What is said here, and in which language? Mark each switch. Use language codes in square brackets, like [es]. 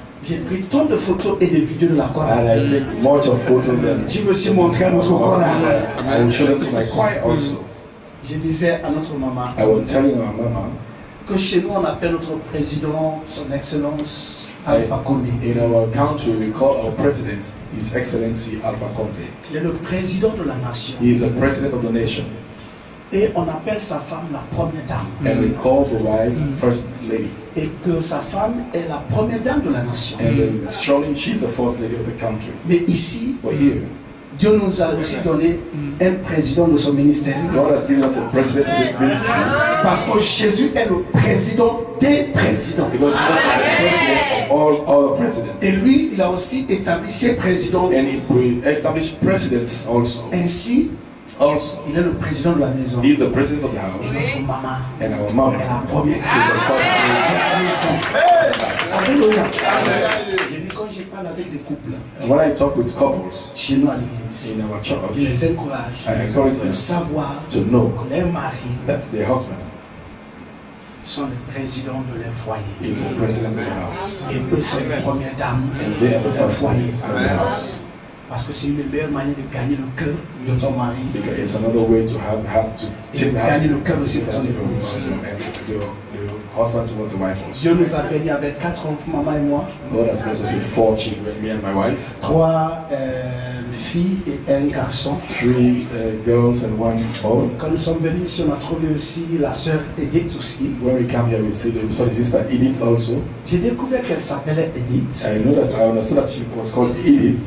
[fr] J'ai pris tant de photos et de vidéos de la choir. [en] And I take much of photos and. [fr] Je veux aussi montrer à notre choir. [en] I will show them to my choir also. [fr] Je disais à notre maman, [en] I will tell you, my mama, [fr] que chez nous on appelle notre président son excellence Alpha Condé. [en] In our country we call our president His Excellency Alpha Condé. [fr] Il est le président de la nation. [en] He is the president of the nation. [fr] Et on appelle sa femme la première dame. [en] And we call the wife first lady. [fr] Et que sa femme est la première dame de la nation. [en] And surely she is the first lady of the country. [fr] Mais ici. [en] But here, [fr] Dieu nous a aussi donné un président de son ministère. [en] God has given us a president of his ministry. [fr] Parce que Jésus est le président des présidents. [en] Because Jesus is the president of all other presidents. [fr] Et lui, il a aussi établi ses présidents. [en] And he established presidents also. [fr] Ainsi, [en] also, [fr] il est le président de la maison. [en] He is the president of the house. [fr] Et notre maman. [en] And our mom. [fr] Est la première. Amen. [en] She's the first lady. [fr] Alléluia. Amen. Alléluia. Je parle avec des couples. [en] When I talk with couples, [fr] chez nous à l'église, [en] in our church, [fr] je les encourage. [en] I encourage them [fr] de savoir [en] to know [fr] que leur mari, [en] that's their husband, [fr] sont le président de leur foyer. [en] Is the president of the house. [fr] Et eux sont les premières dames de leur foyer. Parce que c'est une meilleure manière de gagner le cœur de ton mari. [en] Because it's another way to have to [fr] gagner le cœur aussi de ton mari. [en] Husband towards the wife also. [fr] Dieu nous a béni avec quatre enfants, maman et moi. [en] God has blessed us with four children, me and my wife. [fr] Trois filles et un garçon. [en] Three girls and one boy. [fr] Quand nous sommes venus, on a trouvé aussi la sœur Edith aussi. [en] When we came here, we see the sorry, sister Edith also. [fr] J'ai découvert qu'elle s'appelait Edith. [en] I know that I understood that she was called Edith.